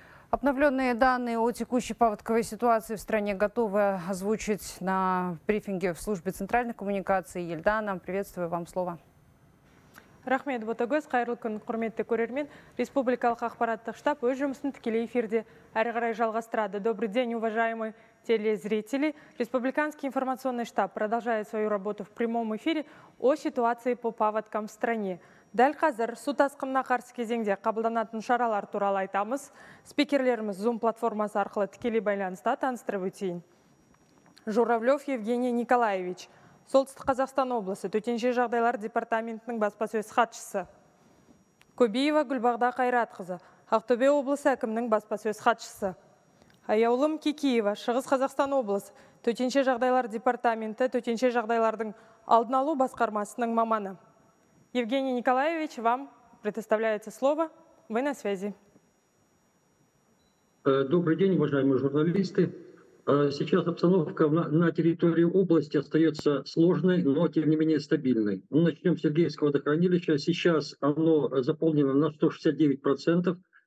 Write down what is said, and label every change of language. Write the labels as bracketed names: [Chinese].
[Russian] Обновленные данные о текущей паводковой ситуации в стране готовы озвучить на брифинге в службе центральной коммуникации. Ельдана, приветствую вам, слово. [Kazakh] Рахмет, Ботагөз, қайырлы күн, құрметті көрермен. Республикалық ақпараттық штаб өз жұмысын тікелей эфирде әрі қарай жалғастырады. [Russian] Добрый день, уважаемые телезрители. Республиканский информационный штаб продолжает свою работу в прямом эфире о ситуации по паводкам в стране. [Kazakh] Дәл қазір су тасқынына қарсы кезеңде қабылданатын шаралар туралы айтамыз. Спикерлеріміз Zoom платформасы арқылы тікелей байланыста таныстырып өтейін. Журавлев Евгений Николаевич, солтүстік Қазақстан облысы төтенше жағдайлар департаментінің баспасөз хатшысы. Көбиева Гүлбағда Қайратқызы, Ақтөбе облысы әкімінің баспасөз хатшысы. Аяулым Кикиева, Шығыс Қазақстан облысы төтенше жағдайлар департаменті төтенше жағдайлардың алдын алу басқармасының маманы. [Russian] Евгений Николаевич, вам предоставляется слово. Вы на связи. Добрый день, уважаемые журналисты. Сейчас обстановка на территории области остается сложной, но тем не менее стабильной. Мы начнем с Сергеевского водохранилища. Сейчас оно заполнено на 169%.